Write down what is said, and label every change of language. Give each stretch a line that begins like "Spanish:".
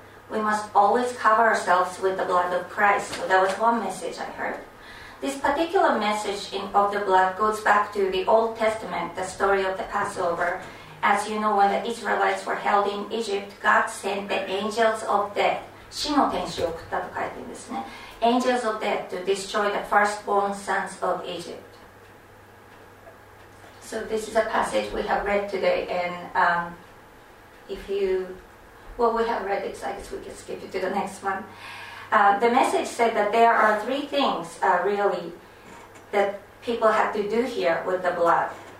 English: We must always cover ourselves with the blood of Christ. So that was one message I heard. This particular message of the blood goes back to the Old Testament, the story of the Passover. As you know, when the Israelites were held in Egypt, God sent the angels of death.
Japanese: 死の天使を送ったと書いてるんですね。
English: Angels of death to destroy the firstborn sons of Egypt. So this is a passage we have read today, and we have read it, so I guess we can skip it to the next one. The message said that there are three things, really, that people have to do here with the blood.